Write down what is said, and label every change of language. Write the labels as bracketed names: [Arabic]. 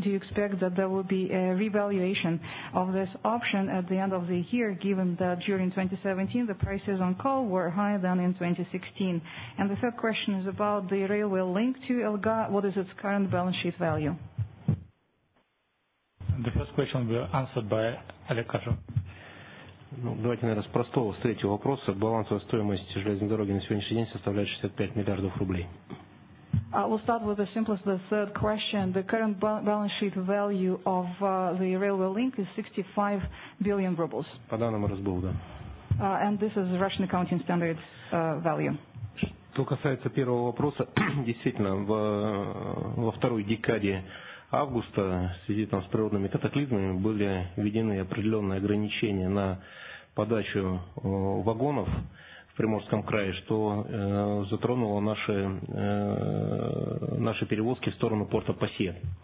[English] Do you expect that there will be a revaluation of this option at the end of the year, given that during 2017 the prices on coal were higher than in 2016? And the third question is about the railway link to Elga. What is its current balance sheet value? The first question will be answered by Oleg Kasha. [Russian] Давайте, наверное, с простого, с третьего вопроса. Балансовая стоимость железной дороги на сегодняшний день составляет 65 миллиардов рублей. [English] I will start with the simplest, the third question. The current balance sheet value of the railway link is 65 billion rubles. [Russian] По данному РСБУ, да. [English] And this is Russian accounting standards value. [Russian] Что касается первого вопроса, действительно, во второй декаде августа в связи там с природными катаклизмами были введены определенные ограничения на подачу вагонов в Приморском крае, что затронуло наши перевозки в сторону порта Пасе.